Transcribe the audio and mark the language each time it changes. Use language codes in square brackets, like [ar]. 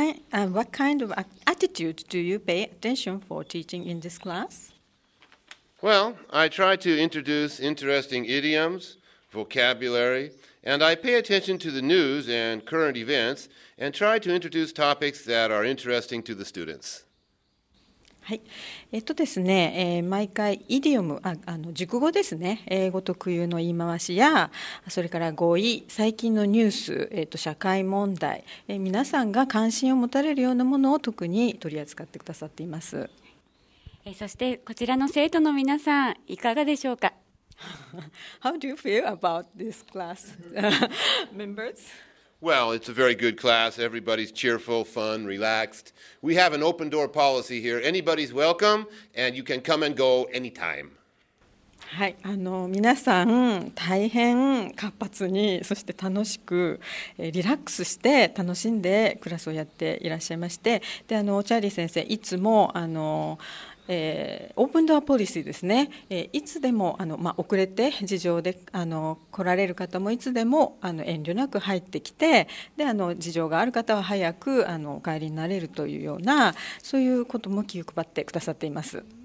[en] What kind of attitude do you pay attention for teaching in this class? Well, I try to introduce interesting idioms, vocabulary,And I pay attention to the news and current events and try to introduce topics that are interesting to the students. [ja] はい、ですね、毎回イディオム、熟語ですね、英語特有の言い回しや、それから語彙、最近のニュース、社会問題、皆さんが関心を持たれるようなものを特に取り扱ってくださっています。そしてこちらの生徒の皆さん、いかがでしょうか。 [en] How do you feel about this class members? Well, it's a very good class. Everybody's cheerful, fun, relaxed. We have an open door policy here. Anybody's welcome, and you can come and go anytime. [ja] はい、皆さん大変活発に、そして楽しく、リラックスして楽しんでクラスをやっていらっしゃいまして、で、チャーリー先生、いつもオープンドアポリシーですね、いつでも遅れて事情で来られる方も、いつでも遠慮なく入ってきて、で事情がある方は早くお帰りになれるというような、そういうことも気を配ってくださっています。